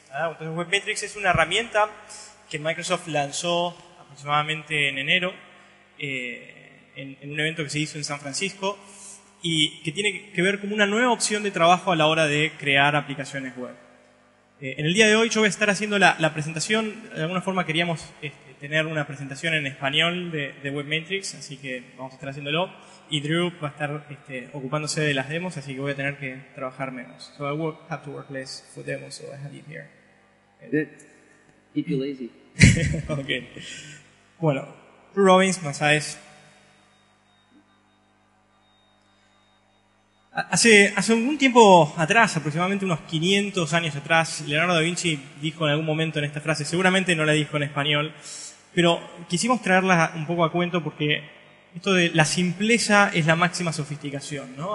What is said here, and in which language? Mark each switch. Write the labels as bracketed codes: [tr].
[es] Entonces, WebMatrix es una herramienta que Microsoft lanzó aproximadamente en enero en un evento que se hizo en San Francisco y que tiene que ver como una nueva opción de trabajo a la hora de crear aplicaciones web. En el día de hoy yo voy a estar haciendo la presentación. De alguna forma queríamos tener una presentación en español de WebMatrix, así que vamos a estar haciéndolo. Y Drew va a estar ocupándose de las demos, así que voy a tener que trabajar menos. [en] So I will have to work less for demos, so I have you here. Good. Keep you lazy. Okay. [es] Bueno, Drew Robbins, más sabes. Hace algún tiempo atrás, aproximadamente unos 500 años atrás, Leonardo da Vinci dijo en algún momento en esta frase, seguramente no la dijo en español, pero quisimos traerla un poco a cuento porque esto de la simpleza es la máxima sofisticación, ¿no?